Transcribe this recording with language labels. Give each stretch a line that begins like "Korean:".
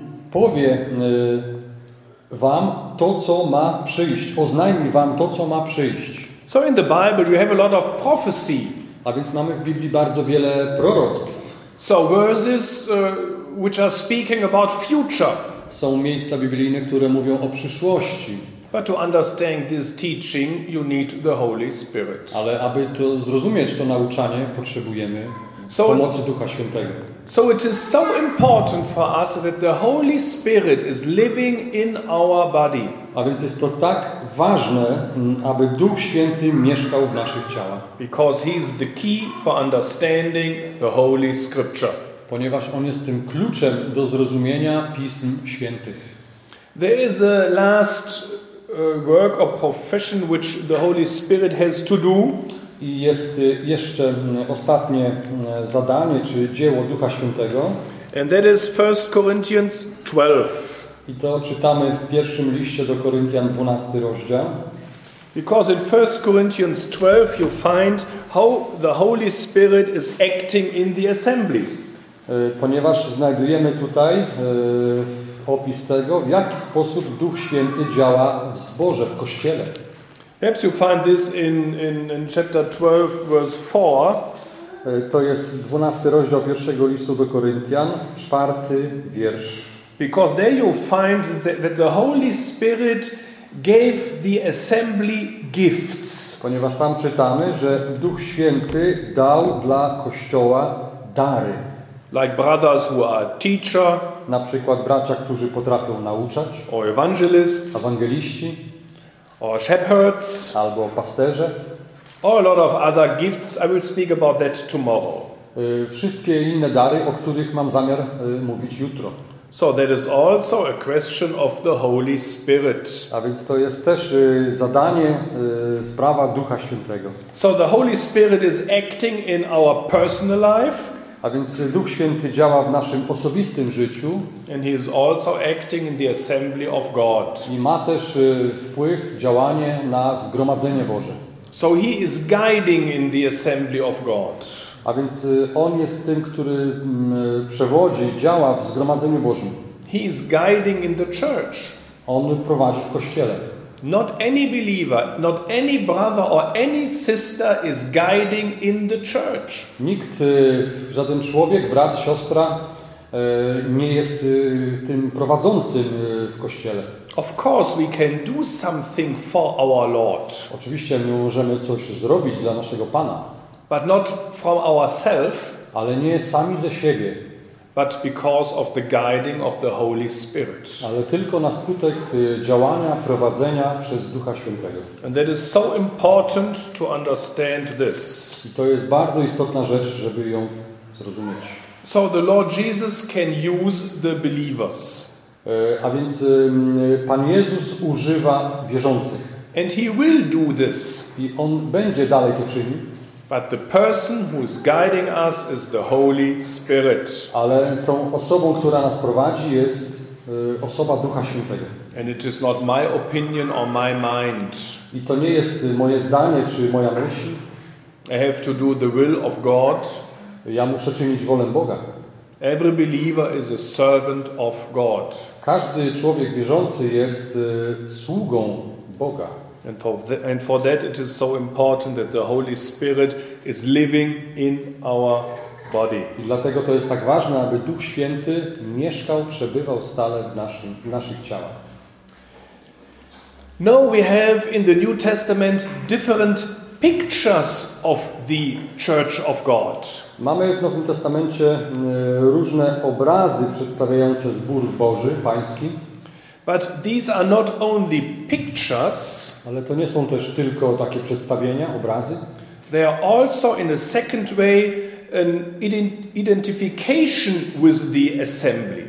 Polish: Powie wam to, co ma przyjść. Oznajmi wam to, co ma przyjść.
English: So in the Bible you have a lot of prophecy.
Polish: A więc mamy w Biblii bardzo wiele proroctw.
English: So verses which are speaking about future.
Polish: Są miejsca biblijne, które mówią o przyszłości.
English: But to understand this teaching, you need the Holy Spirit.
Polish: Ale aby to zrozumieć, to nauczanie, potrzebujemy pomocy Ducha Świętego.
English: So it is so important for us that the Holy Spirit is living in our body.
Polish: A więc jest to tak ważne, aby Duch Święty mieszkał w naszych ciałach.
English: Because he is the key for understanding the Holy Scripture.
Polish: Ponieważ on jest tym kluczem do zrozumienia Pism Świętych.
English: There is a last work or profession which the Holy Spirit has to do.
Polish: I jest jeszcze ostatnie zadanie czy dzieło Ducha Świętego.
English: And that is 1 Corinthians 12.
Polish: I to czytamy w pierwszym liście do Koryntian 12 rozdział.
English: Because in 1 Corinthians 12 you find how the Holy Spirit is acting in the assembly.
Polish: Ponieważ znajdujemy tutaj opis tego, w jaki sposób Duch Święty działa w zborze, w kościele.
English: Perhaps you find this in chapter 12, verse 4.
Polish: To jest 12 rozdział pierwszego listu do Koryntian, 4 wiersz.
English: Because there you find that the Holy Spirit gave the assembly gifts.
Polish: Ponieważ tam czytamy, że Duch Święty dał dla kościoła dary.
English: Like brothers who are teacher,
Polish: na przykład bracia, którzy potrafią nauczać,
English: or evangelists,
Polish: ewangeliści,
English: or shepherds,
Polish: albo pasterze,
English: or a lot of other gifts. I will speak about that tomorrow.
Polish: Wszystkie inne dary, o których mam zamiar mówić jutro.
English: So that is also a question of the Holy Spirit.
Polish: A więc to jest też zadanie, sprawa Ducha Świętego.
English: So the Holy Spirit is acting in our personal life.
Polish: A więc Duch Święty działa w naszym osobistym życiu.
English: And he is also acting in the assembly of God.
Polish: I ma też wpływ, działanie na zgromadzenie Boże.
English: So he is guiding in the assembly of God.
Polish: A więc on jest tym, który przewodzi, działa w zgromadzeniu Bożym.
English: He is guiding in the church.
Polish: On prowadzi w kościele.
English: Not any believer, not any brother or any sister is guiding in the church.
Polish: Nikt, żaden człowiek, brat, siostra nie jest tym prowadzącym w kościele.
English: Of course we can do something for our Lord.
Polish: Oczywiście my możemy coś zrobić dla naszego Pana.
English: But not from ourselves,
Polish: ale nie sami ze siebie.
English: But because of the guiding of the Holy Spirit.
Polish: Ale tylko na skutek działania, prowadzenia przez Ducha Świętego.
English: And that is so important to understand this.
Polish: I to jest bardzo istotna rzecz, żeby ją zrozumieć.
English: So the Lord Jesus can use the believers.
Polish: A więc Pan Jezus używa wierzących.
English: And he will do this.
Polish: I on będzie dalej to czynił.
English: But the person who is guiding us is the Holy Spirit.
Polish: Ale tą osobą, która nas prowadzi, jest osoba Ducha Świętego.
English: And it is not my opinion or my mind.
Polish: I to nie jest moje zdanie czy moja myśl.
English: I have to do the will of God.
Polish: Ja muszę czynić wolę Boga.
English: Every believer is a servant of God.
Polish: Każdy człowiek wierzący jest sługą Boga.
English: And for that it is so important that the Holy Spirit is living in our body.
Polish: I dlatego to jest tak ważne, aby Duch Święty mieszkał, przebywał stale w naszych ciałach.
English: Now we have in the New Testament different pictures of the Church of God.
Polish: Mamy w Nowym Testamencie różne obrazy przedstawiające zbór Boży, Pański.
English: But these are not only pictures.
Polish: Ale to nie są też tylko takie przedstawienia, obrazy.
English: They are also in a second way an identification with the assembly.